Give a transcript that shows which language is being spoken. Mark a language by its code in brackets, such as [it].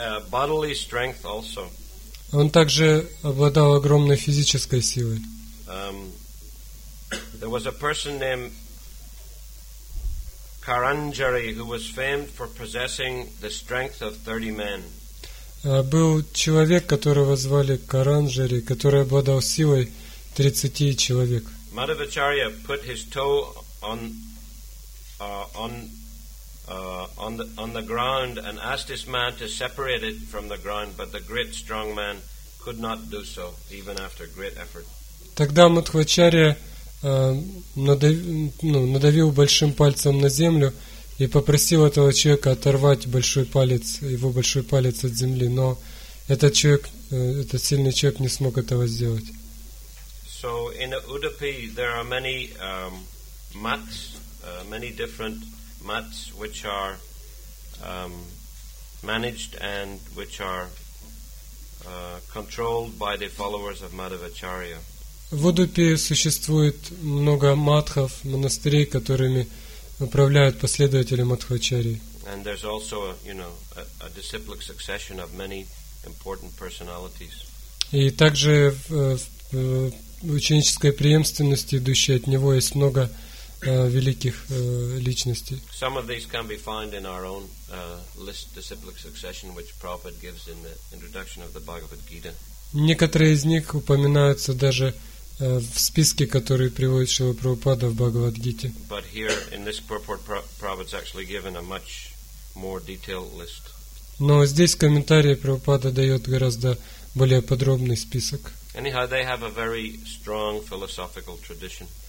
[ru] Он также обладал огромной физической силой. [en] There was a person named Karanjari who was famed for possessing the strength of 30 men. [ru] Был человек, которого звали Каранджари, который обладал силой 30 человек. [en] Madhvacharya put his toe on the ground and asked this man to separate it from the ground, but the great strong man could not do so, even after great effort. [ru] Тогда Мадхвачарья надавил большим пальцем на землю и попросил этого человека оторвать большой палец, его большой палец от земли, но этот человек, этот сильный человек не смог этого сделать. [en] So in Udupi there are many mats, many different mats which are managed and which are controlled by the followers of Madhvacharya. [ru] В Удупи существует много матхов, монастырей, которыми управляют последователи Мадхвачарьи. [en] And there's also, you know, a disciplic succession of many important personalities. [ru] И также в ученической преемственности, идущей от него, есть много великих личностей. [en] Some of these can be found in our own list disciplic succession, which Prabhupada gives in the introduction of the Bhagavad Gita. [ru] Некоторые из них упоминаются даже в списке, который приводит Шрила Прабхупада в Бхагавад-гите. [en] But here, in this purport, Prabhupada's actually given a much more detailed list. [ru] Но здесь в комментарии Прабхупада дает гораздо более подробный список. [en] Anyhow, they have a very strong philosophical tradition.